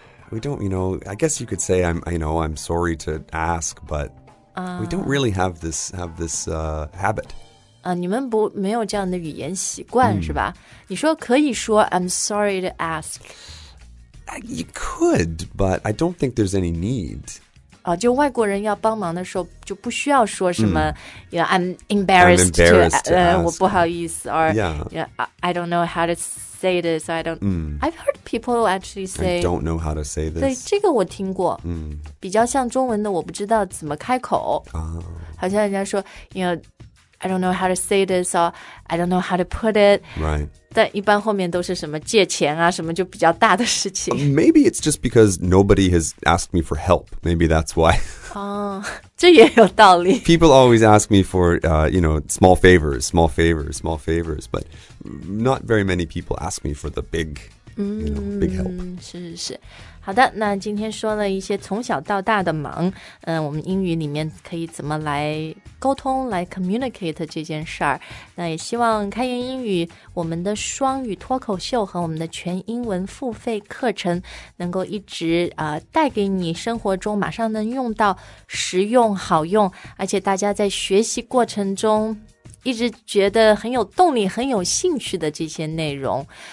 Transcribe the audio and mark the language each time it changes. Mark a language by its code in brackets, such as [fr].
[en] We don't, you know, I guess you could say, I'm sorry to ask, but we don't really have this habit. [zh] 你们没有这样的语言习惯是吧你说可以说 [en] I'm sorry to ask. You could, but I don't think there's any need. [zh] 就外国人要帮忙的时候就不需要说什么、 [en] you know, I'm embarrassed to ask. [zh] 我不好意思 [en] or、you know, I don't know how to say this so I don't、I've heard people actually say I don't know how to say this [zh] 对这个我听过、比较像中文的我不知道怎么开口、好像人家说 [en] you know, I don't know how to say this or I don't know how to put it、 [zh] 但一般后面都是什么借钱啊什么就比较大的事情。 [en] Maybe it's just because nobody has asked me for help. Maybe that's why. [zh] 这也有道理。 [en] People always ask me for, you know, small favors. But not very many people ask me for the big, you know, big help. [zh] 是。好的那今天说了一些从小到大的忙、我们英语里面可以怎么来沟通来 communicate 这件事儿。那也希望开言英语我们的双语脱口秀和我们的全英文付费课程能够一直、带给你生活中马上能用到实用好用而且大家在学习过程中一直觉得很有动力很有兴趣的这些内容